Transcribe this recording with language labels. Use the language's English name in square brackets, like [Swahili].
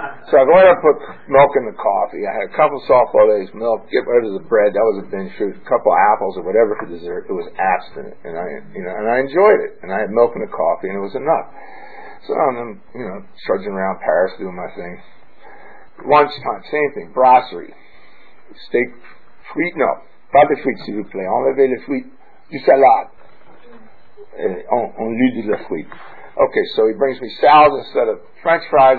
[English] So I go ahead and put milk in the coffee. I had a couple softball eggs, milk, get rid of the bread, that was a binge food, a couple apples or whatever for dessert. It was abstinent, and I enjoyed it. And I had milk in the coffee, and it was enough. So I'm, you know, trudging around Paris doing my thing. Lunchtime, same thing, brasserie. Steak, frites, no. [French] Pas de frites, s'il vous plaît. Enlevez les frites du salade. On lui dit les frites. [English] Okay, so he brings me salad instead of French fries.